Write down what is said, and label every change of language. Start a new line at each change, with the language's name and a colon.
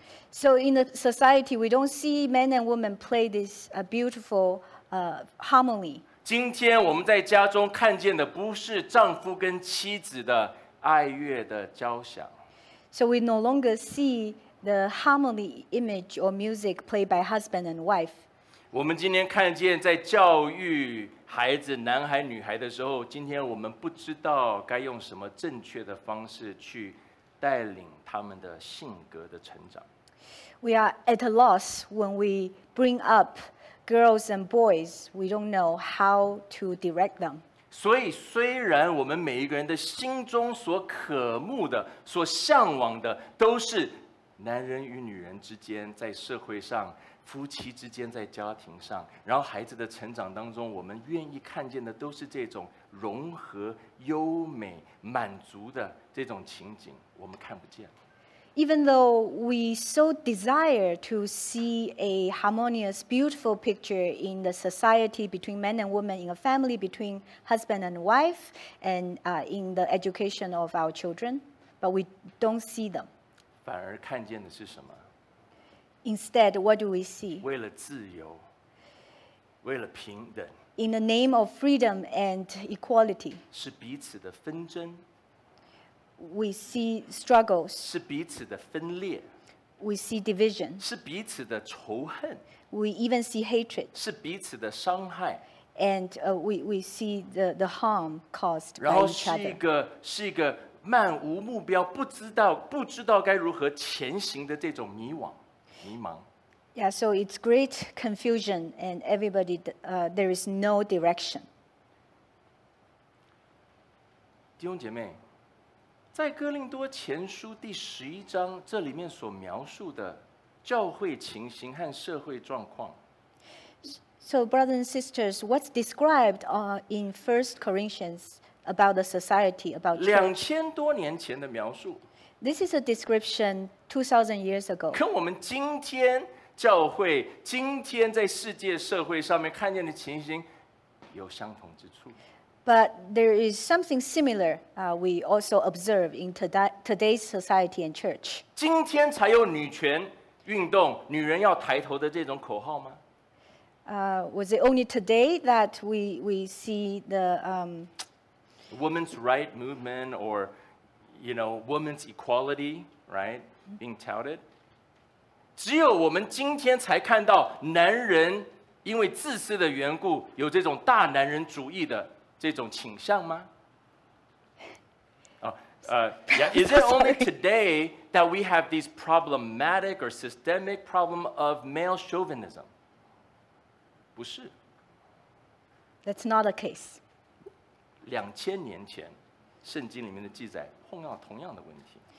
English: So in the society, we don't see men and women play this beautiful harmony.
Chinese: 今天我们在家中看见的不是丈夫跟妻子的爱乐的交响。
English: So we no longer see the harmony image or music played by husband and wife.
Chinese: 我们今天看见在教育孩子男孩女孩的时候，今天我们不知道该用什么正确的方式去带领他们的性格的成长。
English: We are at a loss when we bring up girls and boys. We don't know how to direct them.
Chinese: 所以虽然我们每一个人的心中所渴慕的所向往的都是男人与女人之间在社会上夫妻之间在家庭上然后孩子的成长当中我们愿意看见的都是这种融合优美满足的这种情景我们看不见
English: Even though we so desire to see a harmonious, beautiful picture in the society between men and women, in a family, between husband and wife, and in the education of our children, but we don't see them.
Chinese: 反而看见的是什么？
English: Instead, what do we see?
Chinese: 为了自由，为了平等。
English: In the name of freedom and equality.
Chinese: 是彼此的纷争。
English: We see struggles.
Chinese: 是彼此的分裂。
English: We see division.
Chinese: 是彼此的仇恨。
English: We even see hatred.
Chinese: 是彼此的伤害。
English: And we see the harm caused by each other.
Chinese: 然后是一个漫无目标，不知道该如何前行的这种迷茫。
English: Yeah, so it's great confusion, and everybody, there is no direction.
Chinese: 弟兄姐妹。在哥林多前书第十一章，这里面所描述的教会情形和社会状况。
English: So, brothers and sisters, what's described in First Corinthians about the society about church?
Chinese: 2000多年前的描述。
English: This is a description 2,000 years ago.
Chinese: 跟我们今天教会、今天在世界社会上面看见的情形有相同之处。
English: But there is something similar we also observe in today's society and church.
Chinese: 今天才有女权运动，女人要抬头的这种口号吗？
English: Was it only today that we see the women's right movement or you know women's equality right being touted?
Chinese: 只有我们今天才看到男人因为自私的缘故有这种大男人主义的。这种倾向吗？
English: Is it only today that we have this problematic or systemic problem of male chauvinism?
Chinese: 不是。
English: That's not the case.
Chinese: 2000年前，圣经里面的记载碰到同样的问题。